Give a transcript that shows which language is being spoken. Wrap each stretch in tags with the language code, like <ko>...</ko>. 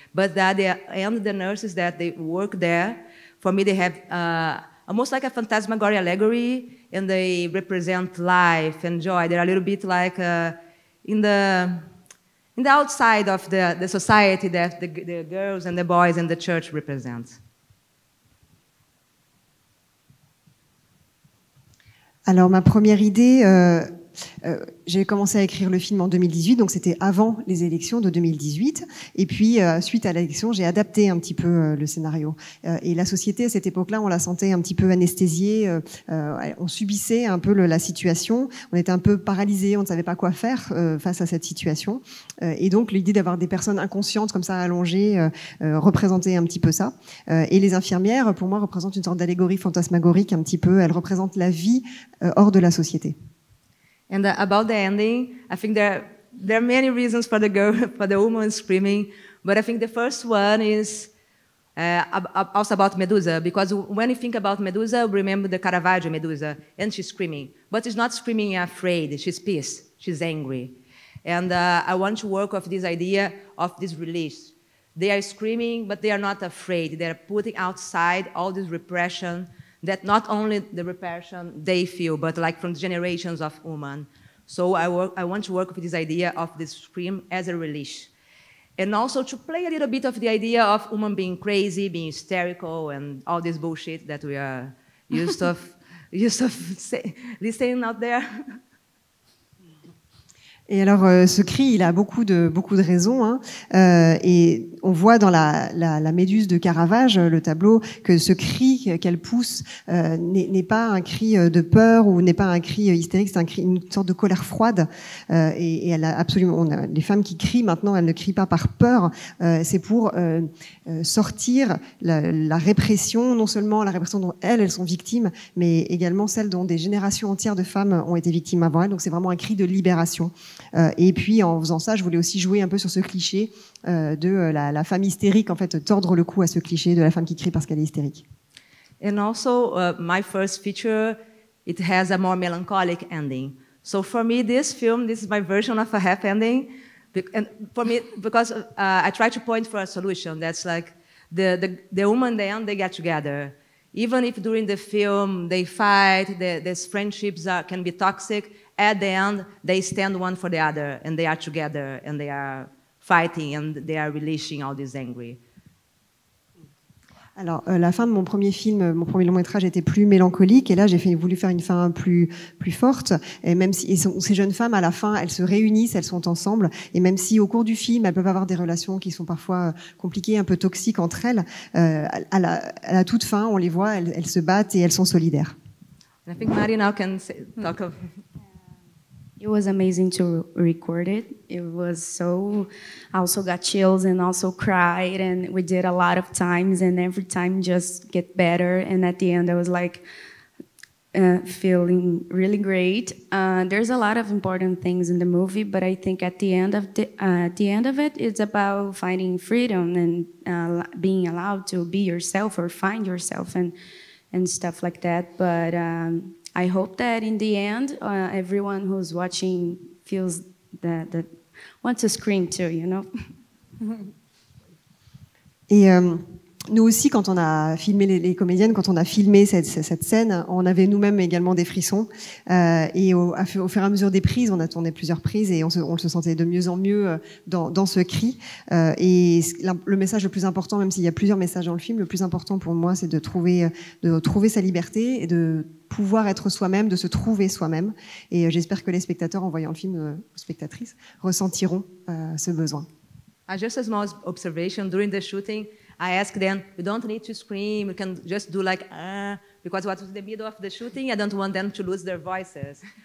<en>But that the nurses that they work there, for me they have almost like a phantasmagoria allegory, and they represent life and joy. They're a little bit like in the outside of the society that the girls and the boys and the church represent.</en> <fr>Alors ma première idée, j'ai commencé à écrire le film en 2018, donc c'était avant les élections de 2018. Et puis, suite à l'élection, j'ai adapté un petit peu le scénario. Et la société, à cette époque-là, on la sentait un petit peu anesthésiée. On subissait un peu la situation. On était un peu paralysés. On ne savait pas quoi faire face à cette situation. Et donc, l'idée d'avoir des personnes inconscientes comme ça allongées représentait un petit peu ça. Et les infirmières, pour moi, représentent une sorte d'allégorie fantasmagorique un petit peu. Elles représentent la vie hors de la société.</fr> <en>And about the ending, I think there are many reasons for the girl, for the woman screaming, but I think the first one is also about Medusa, because when you think about Medusa, remember the Caravaggio Medusa, and she's screaming. But she's not screaming afraid, she's pissed, she's angry. And I want to work with this idea of this release. They are screaming, but they are not afraid. They are putting outside all this repression, that not only the repression they feel, but like from the generations of women. So I want to work with this idea of this scream as a release. And also to play a little bit of the idea of women being crazy, being hysterical, and all this bullshit that we are used to listening out there.</en> <fr>Et alors, ce cri, il a beaucoup de raisons. Hein. Et on voit dans la Méduse de Caravage, le tableau, que ce cri qu'elle pousse n'est pas un cri de peur ou n'est pas un cri hystérique. C'est un cri, une sorte de colère froide. Et elle a absolument. Les femmes qui crient maintenant, elles ne crient pas par peur. C'est pour sortir la répression, non seulement la répression dont elles sont victimes, mais également celle dont des générations entières de femmes ont été victimes avant elles. Donc c'est vraiment un cri de libération. Et puis en faisant ça, je voulais aussi jouer un peu sur ce cliché de la femme hystérique, en fait, tordre le cou à ce cliché de la femme qui crie parce qu'elle est hystérique.</fr> <en>And also, my first feature, it has a more melancholic ending. So for me, this film, this is my version of a happy ending, And for me, because I try to point for a solution that's like the woman and they get together. Even if during the film they fight, these friendships can be toxic, at the end they stand one for the other and they are together and they are fighting and they are releasing all this anger. Alors, la fin de mon premier film, mon premier long métrage, était plus mélancolique, et là, j'ai voulu faire une fin plus forte. Et même si ces jeunes femmes, à la fin, elles se réunissent, elles sont ensemble, et même si au cours du film, elles peuvent avoir des relations qui sont parfois compliquées, un peu toxiques entre elles, à la toute fin, on les voit, elles se battent et elles sont solidaires. I think Marie now can say, talk of. It was amazing to record it. It was so, I also got chills and also cried, and we did a lot of times, and every time just get better. And at the end, I was like feeling really great. There's a lot of important things in the movie, but I think at the end of it, it's about finding freedom and being allowed to be yourself or find yourself and stuff like that. But I hope that in the end, everyone who's watching feels that wants a screen too, you know.</en> <fr>Et nous aussi, quand on a filmé les comédiennes, quand on a filmé cette scène, on avait nous-mêmes également des frissons. Et au fur et à mesure des prises, on a tourné plusieurs prises et on se sentait de mieux en mieux dans ce cri. Et le message le plus important, même s'il y a plusieurs messages dans le film, le plus important pour moi, c'est de trouver sa liberté et de pouvoir être soi-même, de se trouver soi-même. Et j'espère que les spectateurs, en voyant le film, spectatrices, ressentiront ce besoin.</fr> <en>Just a small observation during the shooting, I asked them, you don't need to scream, you can just do like, because what was the middle of the shooting, I don't want them to lose their voices.</en>